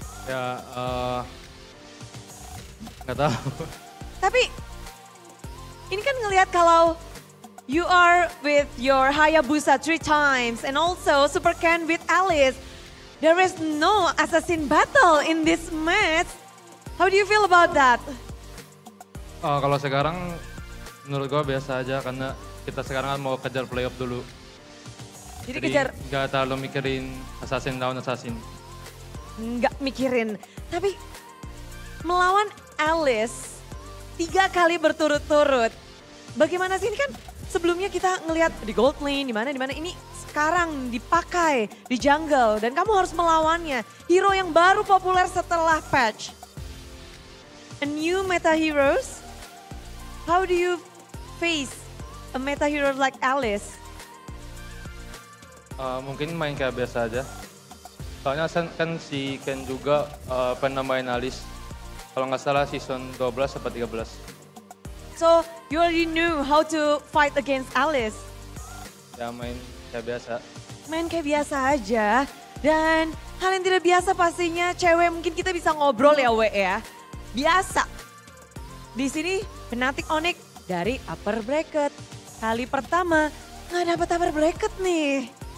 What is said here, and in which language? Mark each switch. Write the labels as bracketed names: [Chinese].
[Indonesian] Ya, gak tahu. Tapi ini kan ngelihat kalau [English] you are with your Hayabusa 3 times and also Super Ken with Alice. There is no assassin battle in this match. How do you feel about that? [Indonesian] Kalau sekarang menurut gue biasa aja karena kita sekarang kan mau kejar playoff dulu. Jadi kejar? Gak terlalu mikirin assassin lawan assassin. Gak mikirin, tapi melawan Alice 3 kali berturut-turut. Bagaimana sih ini kan? Sebelumnya kita ngelihat di gold lane, dimana-dimana ini sekarang dipakai di jungle dan kamu harus melawannya. Hero yang baru populer setelah patch. [English] A new meta heroes, how do you face a meta hero like Alice? [Indonesian] Mungkin main kayak biasa aja. Soalnya kan si Ken juga pernah main Alice. Kalau nggak salah season 12 atau 13. [English] So, you already knew how to fight against Alice. [Indonesian] Ya, main kayak biasa. Main kayak biasa aja. Dan hal yang tidak biasa pastinya cewek, mungkin kita bisa ngobrol ya, we ya. Biasa. Di sini, Fnatic Onyx dari upper bracket. Kali pertama, nggak dapat upper bracket nih.